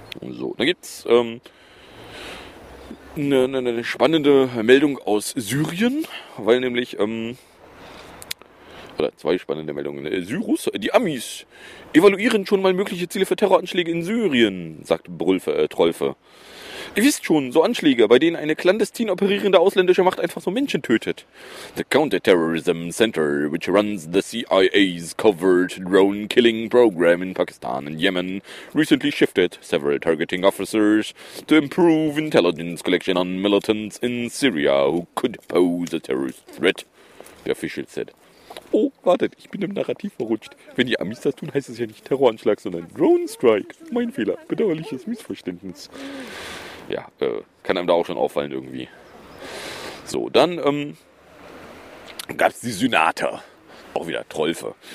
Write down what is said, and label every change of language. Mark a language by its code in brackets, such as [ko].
[de] So, da gibt's eine spannende Meldung aus Syrien, weil nämlich oder zwei spannende Meldungen. Syrus, die Amis evaluieren schon mal mögliche Ziele für Terroranschläge in Syrien, sagt Trollfe. Ihr wisst schon, so Anschläge, bei denen eine clandestin operierende ausländische Macht einfach so Menschen tötet. [en] The Counter-Terrorism Center, which runs the CIA's covert drone-killing program in Pakistan and Yemen, recently shifted several targeting officers to improve intelligence collection on militants in Syria who could pose a terrorist threat, the official said. [de] Oh, wartet, ich bin im Narrativ verrutscht. Wenn die Amis das tun, heißt es ja nicht Terroranschlag, sondern Drone-Strike. Mein Fehler, bedauerliches Missverständnis. Ja, kann einem da auch schon auffallen irgendwie. So, dann gab es die Synater. Auch wieder Trollfe.